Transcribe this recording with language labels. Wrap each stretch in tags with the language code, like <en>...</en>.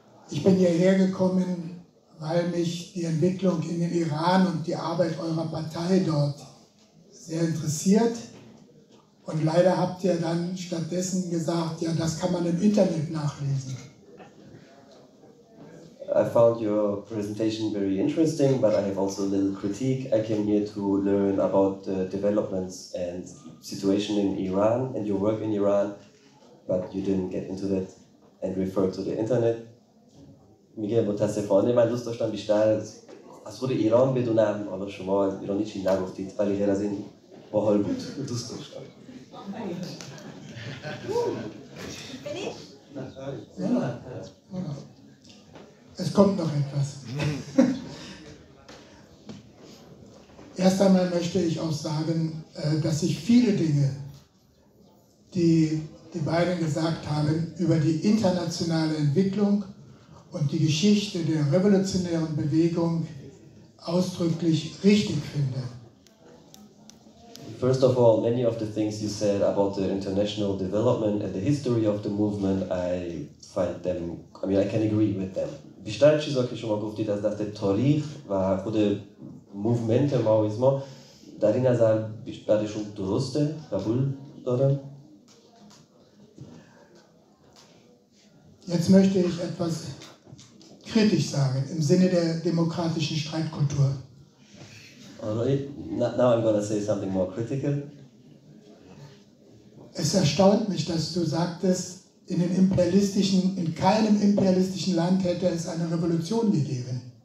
<de>Ich bin hierher gekommen, weil mich die Entwicklung in den Iran und die Arbeit eurer Partei dort sehr interessiert. Und leider habt ihr dann stattdessen gesagt, ja, das kann man im Internet nachlesen.</de> <en>I found your presentation very interesting, but I have also a little critique. I came here to learn about the developments and situation in Iran and your work in Iran, but you didn't get into that and refer to the internet.</en> <fa>میگه متاسفانه من دوست داشتم بیشتر از خود ایران بدونم، حالا شما ایرانی چی نگفتید، ولی غیر از این باحال بود، دوست داشتم.</fa> <de>Es kommt noch etwas. Erst einmal möchte ich auch sagen, dass ich viele Dinge, die die beiden gesagt haben, über die internationale Entwicklung und die Geschichte der revolutionären Bewegung ausdrücklich richtig finde.</de> <en>First of all, many of the things you said about the international development and the history of the movement, I find them, I mean, I can agree with them.</en> <fa>بیشتر چیزها که شما گفتید از دست تاریخ و خود موومنت ماویزما در این نظر بیشترشون درسته قبول دارم.</fa> <de>Jetzt möchte ich etwas kritisch sagen im Sinne der demokratischen Streitkultur.</de> <en>Alright, now I'm going to say something more critical.</en> <de>Es erstaunt mich, dass du sagtest, in keinem imperialistischen Land hätte es eine Revolution gegeben.</de>